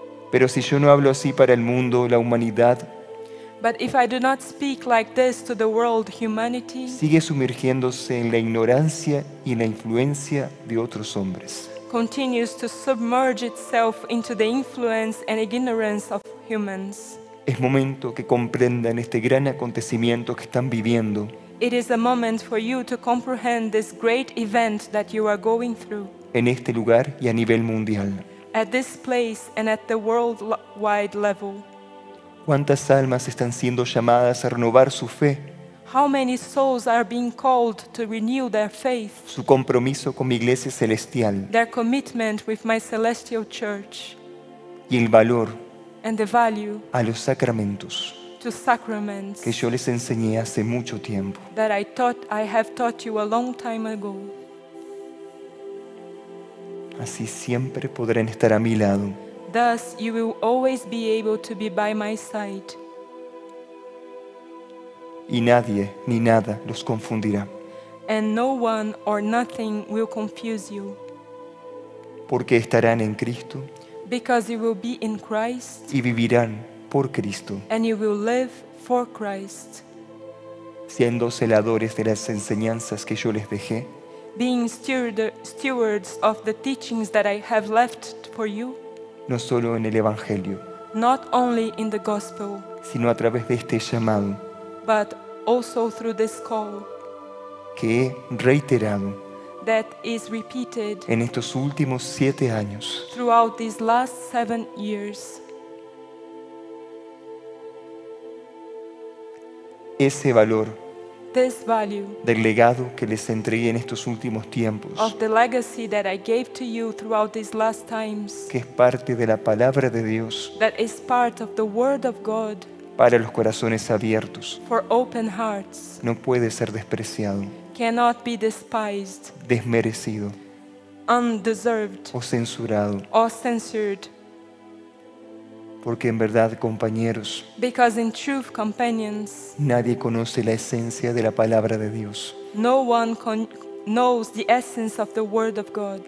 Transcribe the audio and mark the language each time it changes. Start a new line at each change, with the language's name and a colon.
Spanish: Pero si yo no hablo así para el mundo, la humanidad,
English: but if I do not speak like this to the world, humanity,
Spanish: sigue sumergiéndose en la ignorancia y en la influencia de otros hombres.
English: Continues to submerge itself into the influence and ignorance of humans.
Spanish: Es momento que comprendan este gran acontecimiento que están viviendo.
English: It is a moment for you to comprehend this great event that you are going through.
Spanish: En este lugar y a nivel mundial.
English: At this place and at the worldwide level.
Spanish: ¿Cuántas almas están siendo llamadas a renovar su fe?
English: How many souls are being called to renew their faith?
Spanish: Su compromiso con mi iglesia celestial.
English: Their commitment with my celestial church.
Spanish: Y el valor.
English: And the value.
Spanish: A los sacramentos.
English: to sacraments
Spanish: que yo les enseñé hace mucho tiempo.
English: That I have taught you a long time ago.
Spanish: Así siempre podrán estar a mi lado.
English: Thus you will always be able to be by my side.
Spanish: Y nadie ni nada los confundirá.
English: And no one or nothing will confuse you.
Spanish: Porque estarán en Cristo.
English: Because you will be in Christ.
Spanish: Y vivirán por Cristo.
English: And you will live for Christ.
Spanish: Siendo celadores de las enseñanzas que yo les dejé.
English: Being stewards of the teachings that I have left for you.
Spanish: No solo en el Evangelio.
English: Not only in the gospel.
Spanish: Sino a través de este llamado.
English: But also through this call.
Spanish: Que he reiterado.
English: That is repeated.
Spanish: En estos últimos 7 años.
English: Throughout these last 7 years.
Spanish: Ese valor.
English: This value.
Spanish: Del legado que les entregué en estos últimos tiempos.
English: Of the legacy that I gave to you throughout these last times.
Spanish: Que es parte de la palabra de Dios.
English: That is part of the word of God.
Spanish: Para los corazones abiertos.
English: For open hearts.
Spanish: No puede ser despreciado.
English: Cannot be despised.
Spanish: Desmerecido.
English: Undeserved.
Spanish: O censurado.
English: Or censured.
Spanish: Porque en verdad, compañeros,
English: because in truth, companions,
Spanish: nadie conoce la esencia de la palabra de Dios.
English: No one knows the essence of the word of God.